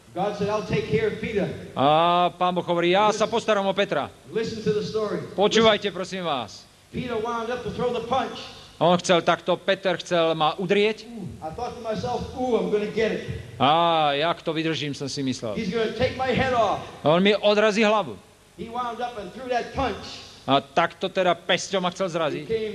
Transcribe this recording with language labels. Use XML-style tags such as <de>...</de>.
<en>God said, I'll take care of Peter.</en> <sk>A Pán Boh hovorí, ja sa postaram o Petra.</sk> <en>Listen to the story.</en> <sk>Počúvajte, prosím vás.</sk> <en>Peter wound up to throw the punch.</en> <sk>On chcel takto, Peter chcel ma udrieť.</sk> <en>I thought to myself, ooh, I'm gonna get it.</en> <sk>A jak to vydržím, som si myslel.</sk> <en>He's gonna take my head off.</en> <sk>On mi odrazí hlavu.</sk> <en>He wound up and threw that punch.</en> <sk>A takto teda pesťou ma chcel zraziť.</sk>